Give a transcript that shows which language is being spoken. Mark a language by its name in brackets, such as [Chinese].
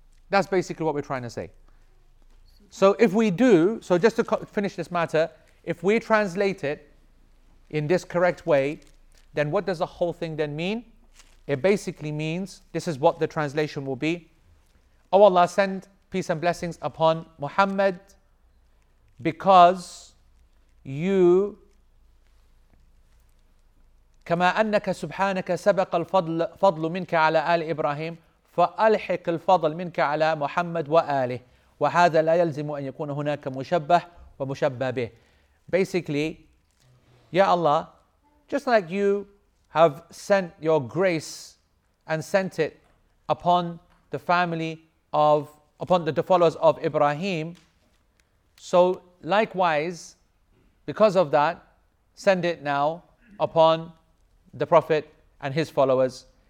[English] That's basically what we're trying to say. So if we do, so just to finish this matter, if we translate it in this correct way, then what does the whole thing then mean? It basically means, this is what the translation will be. Oh Allah, send peace and blessings upon Muhammad because you... [Arabic] كما أنك سبحانك سبق الفضل فضل منك على آل إبراهيم فألحق الفضل منك على محمد وآله وهذا لا يلزم أن يكون هناك مشبه ومشبه به. [English] Basically, Ya Allah, just like you have sent your grace and sent it upon the followers of Ibrahim, so likewise, because of that, send it now upon the Prophet and his followers.